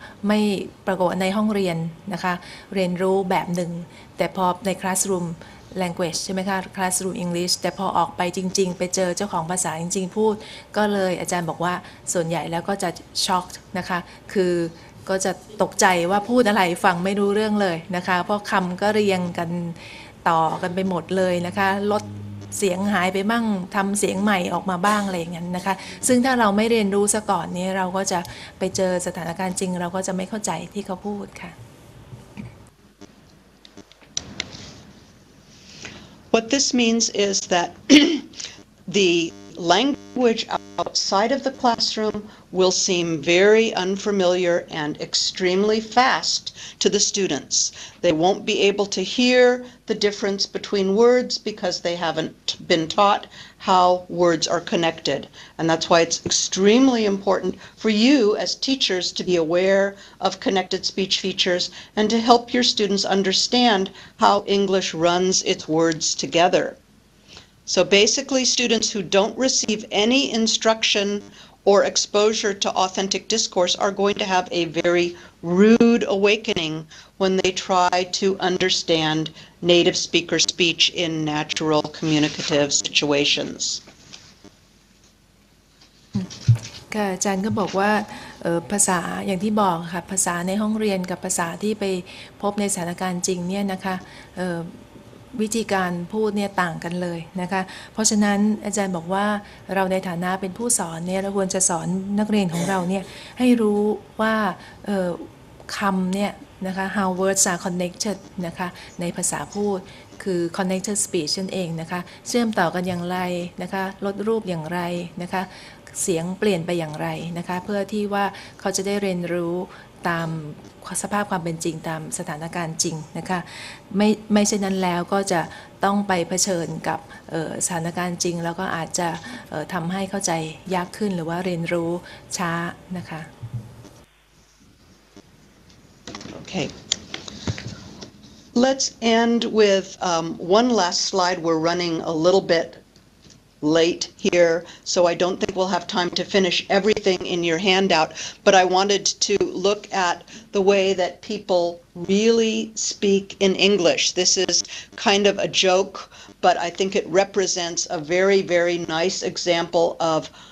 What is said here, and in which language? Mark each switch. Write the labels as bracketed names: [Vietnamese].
[Thai] ไม่ปรากฏในห้องเรียนนะคะเรียนรู้แบบหนึ่งแต่พอใน classroomlanguage ใช่ไหมคะ classroom English แต่พอออกไปจริงๆไปเจอเจ้าของภาษาจริงๆพูดก็เลยอาจารย์บอกว่าส่วนใหญ่แล้วก็จะ shocked นะคะคือก็จะตกใจว่าพูดอะไรฟังไม่รู้เรื่องเลยนะคะเพราะคำก็เรียงกัน ต่อกันไปหมดเลยนะคะลดเสียงหายไปบ้างทำเสียงใหม่ออกมาบ้างอะไรอย่างนั้นนะคะซึ่งถ้าเราไม่เรียนรู้ซะก่อนนี้เราก็จะไปเจอสถานการณ์จริงเราก็จะไม่เข้าใจที่เขาพูดค่ะ [English] What this means is that the language outside of the classroom will seem very unfamiliar and extremely fast to the students. They won't be able to hear the difference between words because they haven't been taught how words are connected. And that's why it's extremely important for you as teachers to be aware of connected speech features and to help your students understand how English runs its words together. So basically, students who don't receive any instruction or exposure to authentic discourse are going to have a very rude awakening when they try to understand native speaker speech in natural communicative situations. [Thai] ค่ะอาจารย์ก็บอกว่าภาษาอย่างที่บอกค่ะภาษาในห้องเรียนกับภาษาที่ไปพบในสถานการณ์จริงเนี่ยนะคะวิธีการพูดเนี่ยต่างกันเลยนะคะเพราะฉะนั้นอาจารย์บอกว่าเราในฐานะเป็นผู้สอนเนี่ยเราควรจะสอนนักเรียนของเราเนี่ยให้รู้ว่า คำเนี่ยนะคะ [English] how words are connected [Thai] นะคะในภาษาพูดคือ connected speech นั่นเองนะคะเชื่อมต่อกันอย่างไรนะคะลดรูปอย่างไรนะคะเสียงเปลี่ยนไปอย่างไรนะคะเพื่อที่ว่าเขาจะได้เรียนรู้ตามสภาพความเป็นจริงตามสถานการณ์จริงนะคะไม่เช่นนั้นแล้วก็จะต้องไปเผชิญกับสถานการณ์จริงแล้วก็อาจจะทำให้เข้าใจยากขึ้นหรือว่าเรียนรู้ช้านะคะ [English] โอเค let's end with one last slide we're running a little bit late here so I don't think we'll have time to finish everything in your handout but I wanted to look at the way that people really speak in English this is kind of a joke but I think it represents a very very nice example of